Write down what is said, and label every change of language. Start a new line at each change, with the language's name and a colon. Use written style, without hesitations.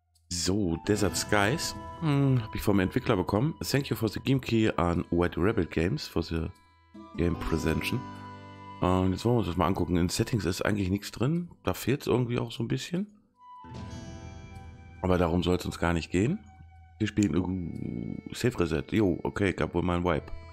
German: So, Desert Skies habe ich vom Entwickler bekommen.
English: Thank you for the game key an White Rebel Games for the game presentation.
German: Und jetzt wollen wir uns das mal angucken. In Settings ist eigentlich nichts drin. Da fehlt es irgendwie auch so ein bisschen. Aber darum soll es uns gar nicht gehen. Wir spielen Safe Reset. Jo, okay, gab wohl mal ein Wipe.